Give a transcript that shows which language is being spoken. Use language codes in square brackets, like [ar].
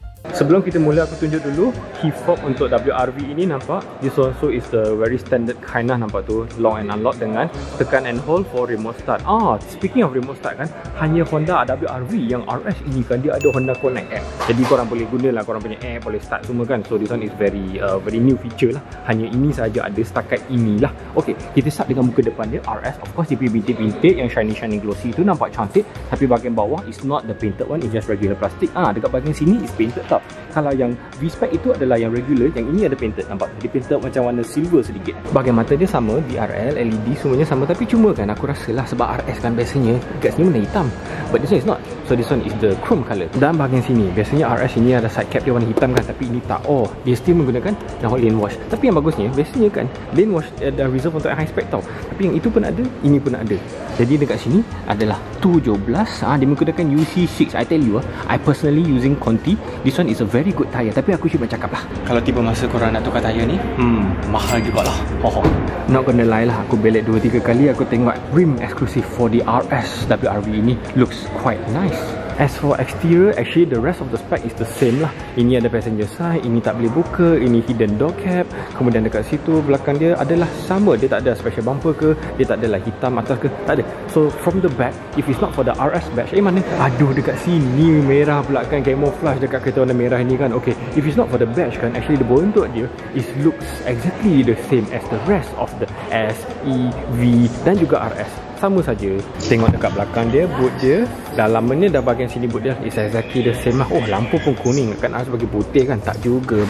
[ms] Sebelum kita mula, aku tunjuk dulu key fob untuk WRV ini. Nampak? [en] This also is the very standard kind lah, [ms] nampak tu, [en] lock and unlock [ms] dengan tekan [en] and hold for remote start. [ms] Ah, [en] speaking of remote start [ms] kan, hanya Honda WRV yang RS ini kan, dia ada Honda Connect app. Jadi korang boleh gunalah korang punya app, boleh start semua kan. [en] So this one is very very new feature lah. [ms] Hanya ini sahaja ada, setakat inilah. Okay, kita start dengan muka depan dia. RS, [en] of course, [ms] dia punya bintik-bintik yang [en] shiny-shiny glossy [ms] itu nampak cantik. Tapi bahagian bawah [en] is not the painted one, it's just regular plastic. [ms] Ah, dekat bahagian sini [en] is painted [ms] tau. Kalau yang V-spec itu adalah yang regular, yang ini ada painted, nampak? Dia painted macam warna silver sedikit. Bahagian mata dia sama, BRL, LED, semuanya sama. Tapi cuma kan aku rasa lah, sebab RS kan biasanya dekatnya warna hitam, [en] but this one is not. So this one is the chrome color. [ms] Dan bahagian sini, biasanya RS ini ada side cap dia warna hitam kan, tapi ini tak. Oh, dia still menggunakan whole lane wash. Tapi yang bagusnya, biasanya kan lane wash ada reserve untuk high spec tau. Tapi yang itu pun ada, ini pun ada. Jadi dekat sini adalah 17. Ah, dia menggunakan UC6. [en] I tell you lah, I personally using Conti. This one is a very good tyre, [ms] tapi aku cuba cakap lah, kalau tiba masa korang nak tukar tyre ni, mahal jugalah. [en] Not gonna lie lah, [ms] aku belek 2-3 kali, aku tengok [en] rim exclusive for the RS WRV ini looks quite nice. As for exterior, actually the rest of the spec is the same lah. [ms] Ini ada passenger side, ini tak boleh buka, ini hidden door cap. Kemudian dekat situ, belakang dia adalah sama. Dia tak ada special bumper ke, dia tak adalah hitam atas ke, tak ada. [en] So from the back, if it's not for the RS badge, [ms] eh mana? Aduh, dekat sini merah pula kan, camouflage dekat kereta warna merah ni kan. [en] Okay, if it's not for the badge kan, actually the bontot dia, it looks exactly the same as the rest of the S, E, V [ms] dan juga [en] RS. [ms] Sama saja. Tengok dekat belakang dia, boot dia, dalamnya dah bahagian sini boot dia, [en] it's exactly the same [ms] lah. Oh, lampu pun kuning, kan harus bagi putih kan? Tak juga.